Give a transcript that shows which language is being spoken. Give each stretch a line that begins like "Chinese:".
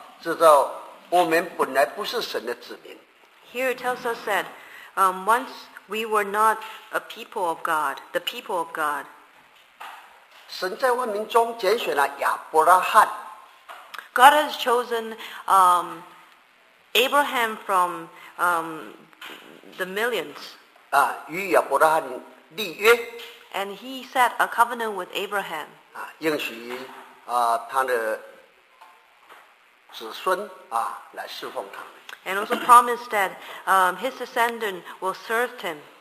Chinese: 入奇妙光明者的美德，你们从前不算子民，现在却做了神的子民。从前未曾蒙怜惜，现在却蒙了怜惜。这里指到我们本来不是神的子民。
English: Here it tells us that once we were not a people of God, the people of God.
Chinese: 神在万民中拣选了亚伯拉罕。
English: God has chosen Abraham from the millions.
Chinese: 与亚伯拉罕立约。
English: And he set a covenant with Abraham.
Chinese: 应许他的子孙来侍奉他。
English: And also promised that his descendant will serve him.